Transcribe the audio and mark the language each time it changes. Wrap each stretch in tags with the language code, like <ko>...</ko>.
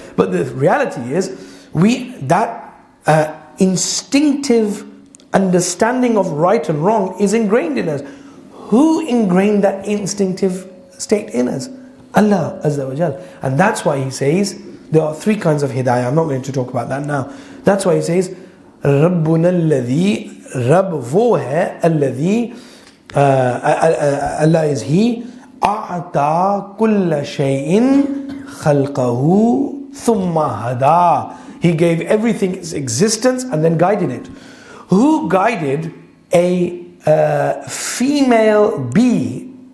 <en>But the reality is, that instinctive understanding of right and wrong is ingrained in us. Who ingrained that instinctive state in us? Allah Azza wa Jal. And that's why he says, there are three kinds of hidayah. I'm not going to talk about that now. That's why he says,</en> <ar>رَبُّنَا الَّذِي رَبْ وَهَا الَّذِي</ar> <en>Allah is He</en> <ar>أَعْتَى كُلَّ شَيْءٍ خَلْقَهُ ثُمَّ هَدَى.</ar> <en>He gave everything its existence and then guided it. Who guided a female bee?</en>